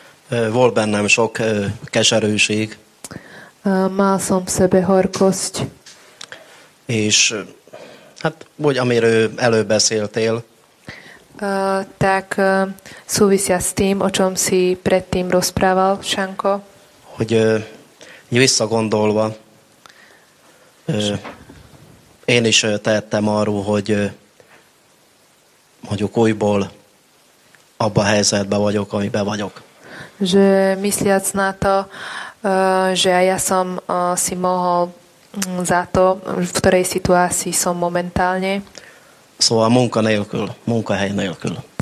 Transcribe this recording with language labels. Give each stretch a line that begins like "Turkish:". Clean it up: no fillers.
Hungarian: volt bennem sok keserűség.
Slovak: Mal som v sebe horkosť.
Hungarian: És hát, úgy, amiről előbb beszéltél.
Slovak: Tak súvisia s tým, o čom si predtým rozprával, Šanko.
Hungarian: Hogy visszagondolva én is tehettem arról, hogy mondjuk újból abba a helyzetben vagyok, amiben vagyok.
Slovak: Že mysliac na to, že ja som si mohol za to, v ktorej situácii som momentálne.
Hungarian: Szóval munka nélkül, munkahely nélkül.